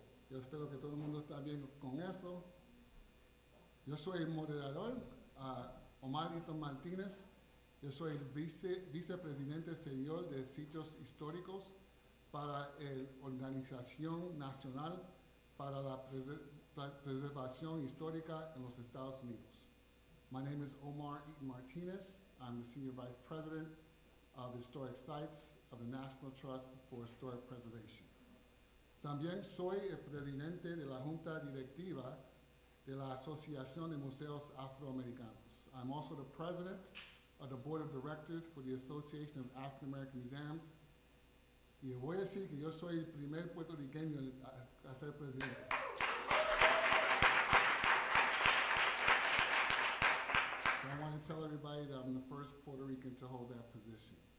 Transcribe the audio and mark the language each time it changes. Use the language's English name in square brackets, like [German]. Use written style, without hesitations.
[Spanish] Yo espero que todo el mundo está bien con eso. Yo soy el moderador, Omar Hito Martínez. Yo soy el vicepresidente señor de sitios históricos para la Organización Nacional para la Preservación Histórica en los Estados Unidos. [English] My name is Omar Eaton Martinez. I'm the Senior Vice President of Historic Sites of the National Trust for Historic Preservation. [Spanish] También soy el presidente de la Junta Directiva de la Asociación de Museos Afroamericanos. [English] I'm also the President of the Board of Directors for the Association of African American Museums. [Spanish] Y voy a decir que yo soy el primer puertorriqueño a ser presidente. [English] I want to tell everybody that I'm the first Puerto Rican to hold that position.